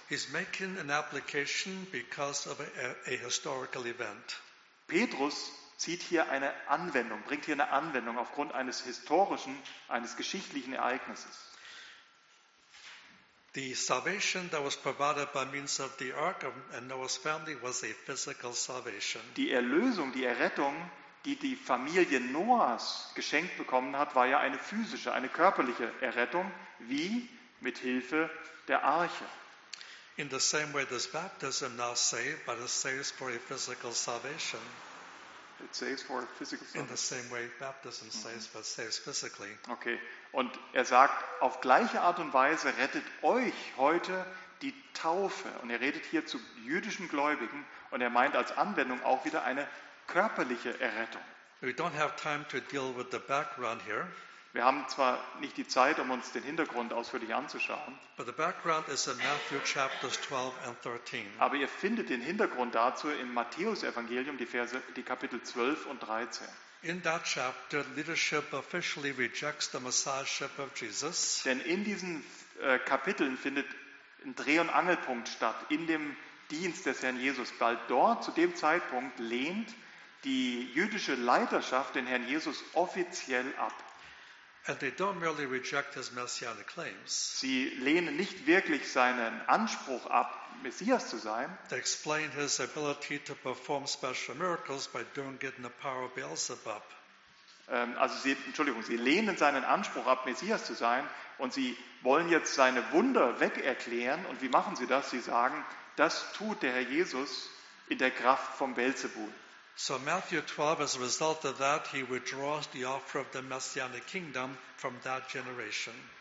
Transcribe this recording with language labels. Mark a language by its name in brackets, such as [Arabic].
[English] He's making an application because of a historical event. [German] Petrus zieht hier eine Anwendung, bringt hier eine Anwendung aufgrund eines historischen, eines geschichtlichen Ereignisses. [English] The salvation that was provided by means of the ark and Noah's family was a physical salvation. [German] Die Erlösung, die Errettung, die die Familie Noahs geschenkt bekommen hat, war ja eine physische, eine körperliche Errettung, wie mit Hilfe der Arche. [English] In the same way does baptism now save, but it saves for a physical salvation. It saves for a physical salvation. In the same way baptism saves, but saves physically. [German] Okay, und er sagt, auf gleiche Art und Weise rettet euch heute die Taufe. Und er redet hier zu jüdischen Gläubigen und er meint als Anwendung auch wieder eine körperliche Errettung. [English] We don't have time to deal with the background here. [German] Wir haben zwar nicht die Zeit, um uns den Hintergrund ausführlich anzuschauen. [English] But the background is in Matthew chapters 12 and 13. [German] Aber ihr findet den Hintergrund dazu im Matthäus-Evangelium, die Kapitel 12 und 13. [English] In that chapter, leadership officially rejects the messiahship of Jesus. [German] Denn in diesen Kapiteln findet ein Dreh- und Angelpunkt statt in dem Dienst des Herrn Jesus. Bald dort, zu dem Zeitpunkt, lehnt die jüdische Leiterschaft den Herrn Jesus offiziell ab. [English] And they don't merely reject his messianic claims. [German] Sie lehnen nicht wirklich seinen Anspruch ab, Messias zu sein. [English] They explain his ability to perform special miracles by doing it in the power of Beelzebub. [German] Sie lehnen seinen Anspruch ab, Messias zu sein, und sie wollen jetzt seine Wunder wegerklären. Und wie machen sie das? Sie sagen, das tut der Herr Jesus in der Kraft vom Beelzebub. [English] So Matthew 12, as a result of that, he withdraws the offer of the messianic kingdom from that generation.